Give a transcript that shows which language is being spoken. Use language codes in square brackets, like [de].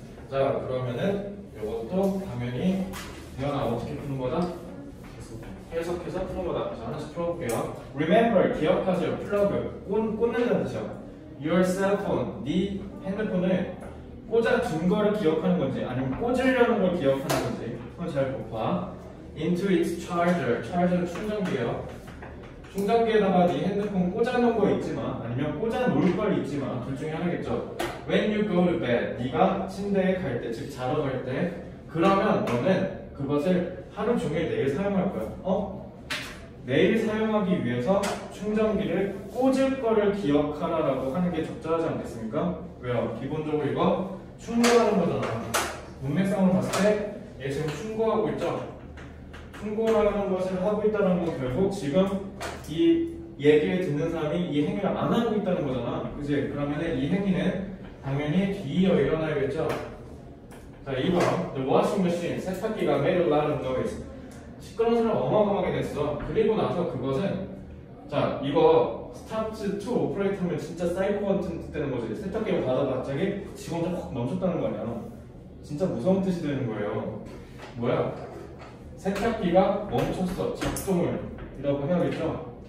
[ko] 자, 그러면은 이것도 당연히 대현아 어떻게 푸는 거다? 해석해서 푸는 거다. 자, 하나씩 풀어볼게요. Remember, 기억하세요. Plug, 꽂는다는 뜻이요. [en] Your cell phone, [ko] 네 핸드폰을 꽂아둔 거를 기억하는 건지 아니면 꽂으려는 걸 기억하는 건지 한번 잘 봐. [en] Into its charger, [ko] charger 충전기예요. 충전기에다가 네 핸드폰 꽂아놓은 거 있지 마. 아니면 꽂아놓을 걸 있지 마. 둘 중에 하나겠죠. [en] When you go to bed, [ko] 네가 침대에 갈 때, 즉 자러 갈 때, 그러면 너는 그것을 하루 종일 내일 사용할 거야. 어? 내일 사용하기 위해서 충전기를 꽂을 거를 기억하라라고 하는 게 적절하지 않겠습니까? 왜요? 기본적으로 이거 충고하는 거잖아. 문맥상으로 봤을 때 얘 지금 충고하고 있죠? 충고라는 것을 하고 있다는 건 결국 지금 이 얘기를 듣는 사람이 이 행위를 안 하고 있다는 거잖아. 그치? 그러면 이 행위는 당연히 뒤이어 일어나야겠죠? 자, 2번. [en] The washing machine, [ko] 세탁기가 [en] made a lot of noise. [ko] 시끄러움을 어마어마하게 냈어. 그리고 나서 그것은 자, 이거 [en] start to operate [ko] 하면 진짜 사이코 같은 뜻 되는 거지. 세탁기를 받아 갑자기 직원들 확 넘쳤다는 거 아니야. 진짜 무서운 뜻이 되는 거예요. 뭐야? 세탁기가 멈췄어. 작동을. 이라고 해야겠죠?